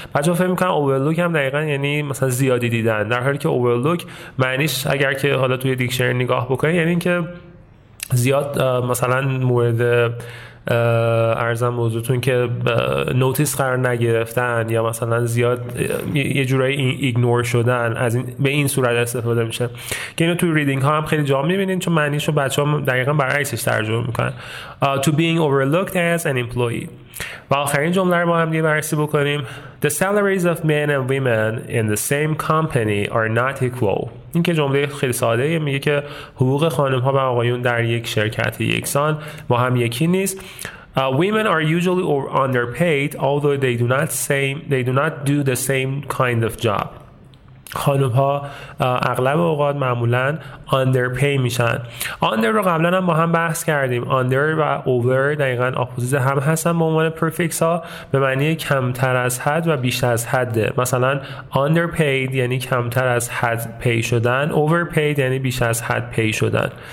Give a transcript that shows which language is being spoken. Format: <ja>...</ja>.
<fa>بچه ها فهم میکنن overlook هم دقیقا یعنی مثلا زیادی دیدن، در حالی که overlook معنیش اگر که حالا توی دیکشنری نگاه بکنید یعنی که زیاد مثلا مورد ارزم موضوعتون که نوتیس قرار نگرفتن یا مثلا زیاد یه جورایی ایگنور شدن، از این به این صورت استفاده میشه که اینو توی ریدینگ ها هم خیلی جا میبینین چون معنیشو بچه ها دقیقا برعکسش ترجمه میکنن.</fa> <en>To being overlooked as an employee.</en> <fa>و آخرین جمله رو ما هم دیگه بررسی بکنیم.</fa> <en>The salaries of men and women in the same company are not equal.</en> <fa>این که جمله خیلی ساده یه میگه که حقوق خانم ها و آقایون در یک شرکت یکسان با هم یکی نیست.</fa> <en>Women are usually underpaid although they do not do the same kind of job.</en> <fa>خانم ها اغلب اوقات معمولا underpay میشن. under رو قبلا هم با هم بحث کردیم، under و over دقیقا اپوزیت هم هستن به عنوان پرفیکس ها، به معنی کمتر از حد و بیش از حده. مثلا underpaid یعنی کمتر از حد pay شدن، overpaid یعنی بیش از حد pay شدن.</fa>